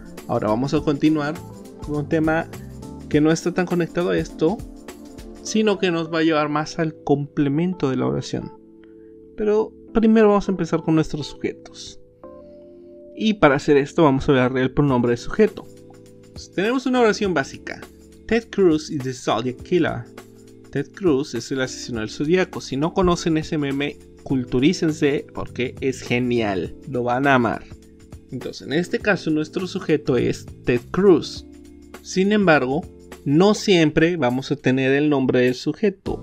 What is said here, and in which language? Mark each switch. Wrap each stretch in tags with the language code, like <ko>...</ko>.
<es>Ahora vamos a continuar con un tema que no está tan conectado a esto, sino que nos va a llevar más al complemento de la oración. Pero primero vamos a empezar con nuestros sujetos. Y para hacer esto vamos a hablar del pronombre del sujeto. Pues tenemos una oración básica.</es> <en>Ted Cruz is the Zodiac Killer.</en> <es>Ted Cruz es el asesino del Zodíaco. Si no conocen ese meme, culturícense porque es genial. Lo van a amar. Entonces, en este caso, nuestro sujeto es Ted Cruz. Sin embargo, no siempre vamos a tener el nombre del sujeto.</es>